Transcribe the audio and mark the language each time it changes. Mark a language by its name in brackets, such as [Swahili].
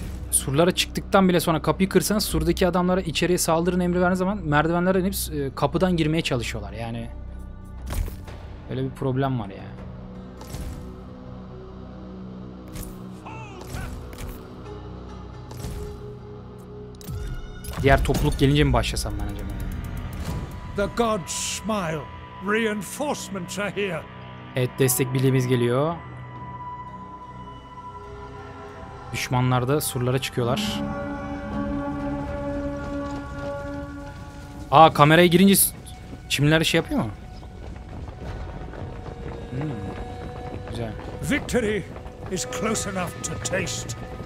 [Turkish] Surlara çıktıktan bile sonra kapıyı kırsanız surdaki adamlara içeriye saldırın emri verdiğiniz zaman merdivenlere inip kapıdan girmeye çalışıyorlar. Yani öyle bir problem var ya. Diğer topluluk gelince mi başlasam ben acaba? [English] The gods smile. Reinforcements are here. [Turkish] Evet destek birliğimiz geliyor. Düşmanlar da surlara çıkıyorlar. Aa kameraya girince çimler şey yapıyor mu? Güzel. [English] Victory is close enough to taste.